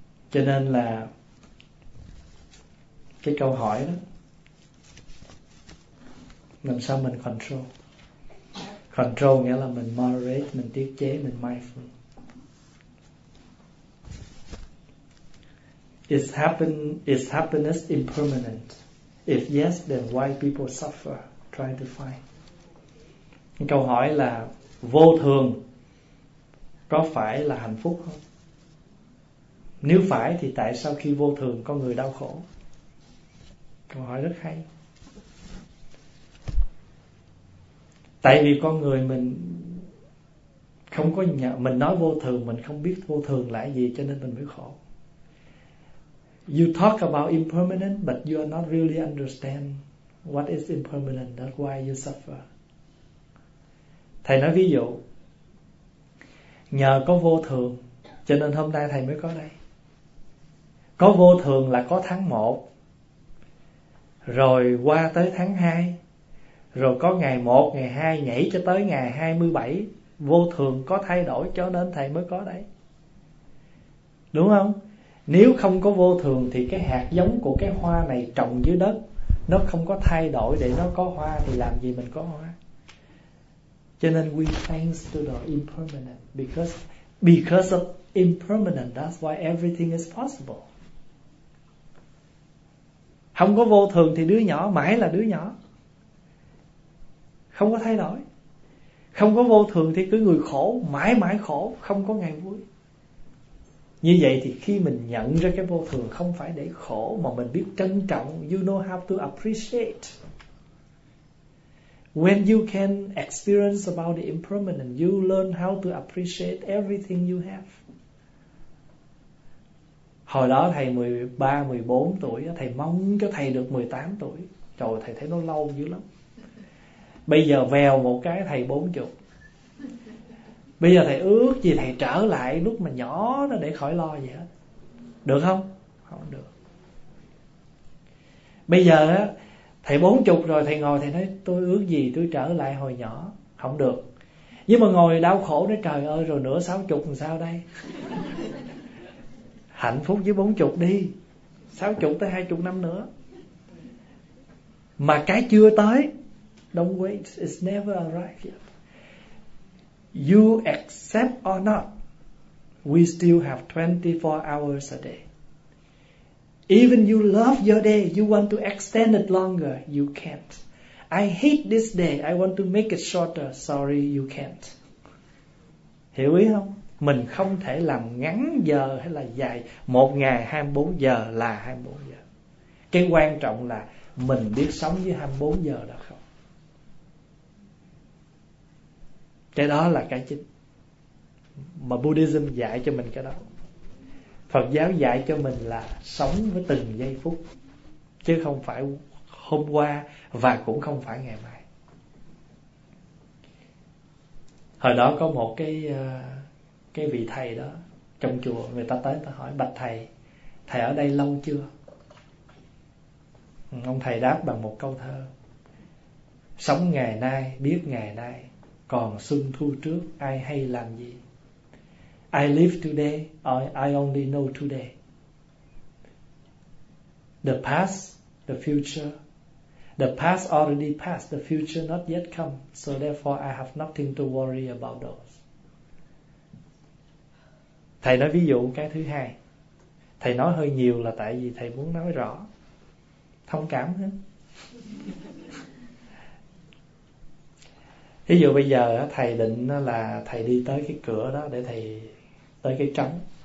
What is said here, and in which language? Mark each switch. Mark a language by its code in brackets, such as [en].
[vi] Cho nên là cái câu hỏi đó, làm sao mình control? Control nghĩa là mình moderate, mình tiết chế, mình mindful. [en] Is happiness impermanent? If yes, then why people suffer trying to find? [vi] Câu hỏi là vô thường có phải là hạnh phúc không? Nếu phải thì tại sao khi vô thường có người đau khổ? Câu hỏi rất hay. Tại vì con người mình không có nhận, mình nói vô thường mình không biết vô thường là gì cho nên mình mới khổ. [en] You talk about impermanent but you are not really understand what is impermanent, that's why you suffer. [vi] Thầy nói ví dụ, nhờ có vô thường cho nên hôm nay thầy mới có đây. Có vô thường là có tháng 1, rồi qua tới tháng 2, rồi có ngày 1, ngày 2, nhảy cho tới ngày 27. Vô thường có thay đổi cho nên thầy mới có đấy. Đúng không? Nếu không có vô thường thì cái hạt giống của cái hoa này trồng dưới đất, nó không có thay đổi để nó có hoa, thì làm gì mình có hoa? Cho nên [en] we thanks to the impermanent. Because of impermanent, that's why everything is possible. [vi] Không có vô thường thì đứa nhỏ mãi là đứa nhỏ, không có thay đổi. Không có vô thường thì cứ người khổ, mãi mãi khổ, không có ngày vui. Như vậy thì khi mình nhận ra cái vô thường không phải để khổ, mà mình biết trân trọng, [en] you know how to appreciate. When you can experience about the impermanent, you learn how to appreciate everything you have. [vi] Hồi đó thầy 13, 14 tuổi, thầy mong cho thầy được 18 tuổi. Trời, thầy thấy nó lâu dữ lắm. Bây giờ vèo một cái thầy 40. Bây giờ thầy ước gì thầy trở lại lúc mà nhỏ đó để khỏi lo gì hết. Được không? Không được. Bây giờ thầy 40 rồi, thầy ngồi thầy nói tôi ước gì tôi trở lại hồi nhỏ. Không được. Nhưng mà ngồi đau khổ nói trời ơi rồi nửa 60 làm sao đây? Hạnh phúc với 40 đi, 60 tới 20 năm nữa. Mà cái chưa tới, [en] don't wait, it's never arrived yet. You accept or not, we still have 24 hours a day. Even you love your day, you want to extend it longer, you can't. I hate this day, I want to make it shorter, sorry, you can't. [vi] Hiểu ý không? Mình không thể làm ngắn giờ hay là dài. Một ngày 24 giờ là 24 giờ. Cái quan trọng là mình biết sống với 24 giờ đó không? Cái đó là cái chính. Mà Buddhism dạy cho mình cái đó. Phật giáo dạy cho mình là sống với từng giây phút, chứ không phải hôm qua và cũng không phải ngày mai. Hồi đó có một cái vị thầy đó trong chùa, người ta tới ta hỏi bạch thầy, thầy ở đây lâu chưa? Ông thầy đáp bằng một câu thơ: sống ngày nay biết ngày nay, còn xuân thu trước ai hay làm gì. [en] I live today, I only know today. The past, the future. The past already passed, the future not yet come, so therefore I have nothing to worry about those. [vi] Thầy nói ví dụ cái thứ hai. Thầy nói hơi nhiều là tại vì thầy muốn nói rõ. Thông cảm hết. Ví dụ bây giờ thầy định là thầy đi tới cái cửa đó để thầy tới cái trống.